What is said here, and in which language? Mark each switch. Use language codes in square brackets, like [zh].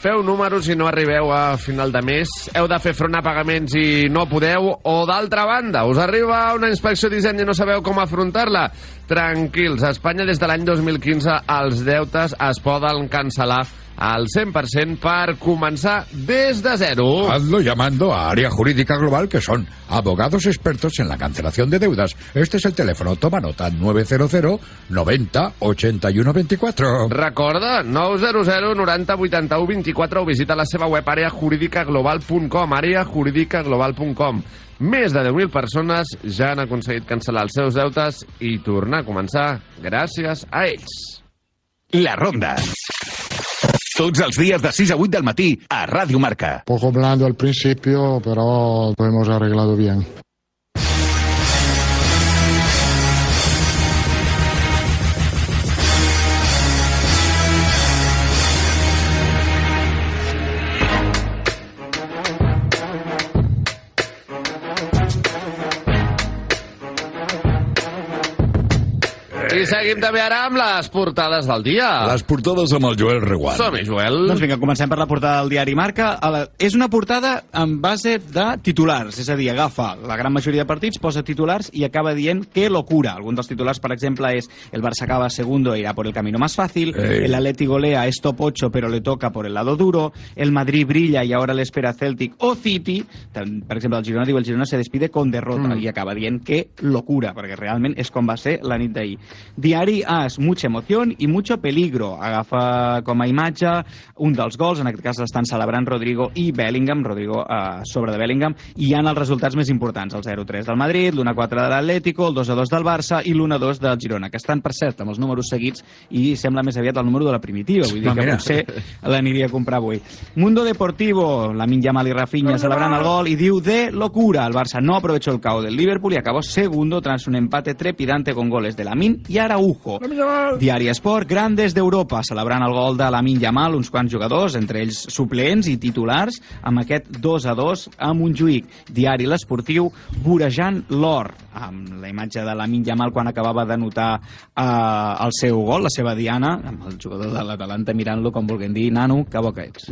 [ca] Feu números i no arribeu a final de mes. Heu de fer front a pagaments i no podeu. O d'altra banda, us arriba una inspecció d'Hisenda i no sabeu com afrontar-la? Tranquils, a Espanya des de l'any 2015 els deutes es poden cancel·lar al 100% per començar des de zero. [es] Hazlo llamando a Área Jurídica Global, que son abogados expertos en la cancelación de deudas. Este es el teléfono, toma nota, 900-90-81-24. [ca] Recorda, 900-90-81-24, o visita la seva web areajuridicaglobal.com, areajuridicaglobal.com. Més de 10.000 persones ja han aconseguit cancel·lar els seus deutes i tornar a començar gràcies a ells. La Ronda. Tots els dies de 6 a 8 del matí a Ràdio Marca. [es] Poco blando al principio, pero lo hemos arreglado bien. [ca] I seguim també ara amb les portades del dia. Les portades amb el Joel Reguant. Som-hi, Joel. Doncs vinga, comencem per la portada del diari Marca. És una portada en base de titulars, és a dir, agafa la gran majoria de partits, posa titulars i acaba dient [es] que locura. [ca] Algun dels titulars, per exemple, és [es] el Barça acaba segundo e irá por el camino más fácil, ey, el Atleti golea es top 8 pero le toca por el lado duro, el Madrid brilla y ahora le espera Celtic o City. [ca] Per exemple, el Girona diu [es] el Girona se despide con derrota [ca] i acaba dient [es] que locura, [ca] perquè realment és com va ser la nit d'ahir. Diari AS, [es] mucha emoción y mucho peligro. [ca] Agafa com a imatge un dels gols, en aquest cas l'estan celebrant Rodrigo i Bellingham, Rodrigo sobre de Bellingham, i hi ha els resultats més importants, el 0-3 del Madrid, l'1-4 de l'Atlético, el 2-2 del Barça i l'1-2 del Girona, que estan, per cert, amb els números seguits i sembla més aviat el número de la primitiva, vull dir que potser l'aniria a comprar avui. [es] Mundo Deportivo, Lamine Yamal [ca] i Rafinha celebrant el gol i diu [es] de locura, el Barça no aprovechó el caos del Liverpool y acabó segundo tras un empate trepidante con goles de Lamine i Araujo. [ca] Diari Esport, grandes d'Europa, celebrant el gol de Lamine Yamal, uns quants jugadors, entre ells suplents i titulars, amb aquest 2-2 a Montjuïc. Diari L'Esportiu, vorejant l'or, amb la imatge de Lamine Yamal quan acabava de notar el seu gol, la seva diana, amb el jugador de l'Atalanta mirant-lo, com vulguem dir, nano, que bo que ets.